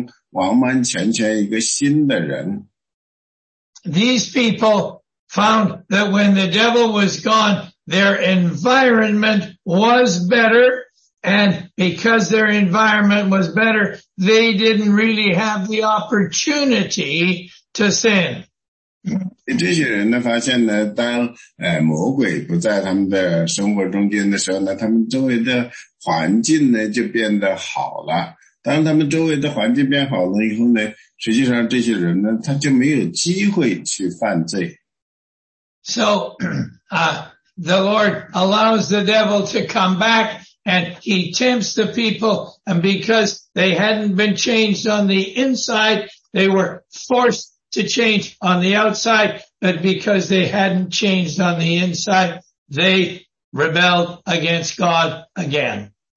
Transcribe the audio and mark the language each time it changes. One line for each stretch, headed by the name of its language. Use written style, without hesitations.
Chinese: 主耶稣说呢如果你相信我，那么说呢，你就会重生，你会变成完完全全一个新的人。
English: These people found that when the devil was gone, their environment was better, and because their environment was better, they didn't really have the opportunity to sin.
Chinese: 这些人呢，发现呢，当魔鬼不在他们的生活中间的时候呢，他们周围的环境呢就变得好了。当他们周围的环境变好了以后呢， 实际上这些人呢，他就没有机会去犯罪。
English: So, the Lord allows the devil to come back and he tempts the people, and because they hadn't been changed on the inside, they were forced to change on the outside, but because they hadn't changed on the inside, they rebelled against God again.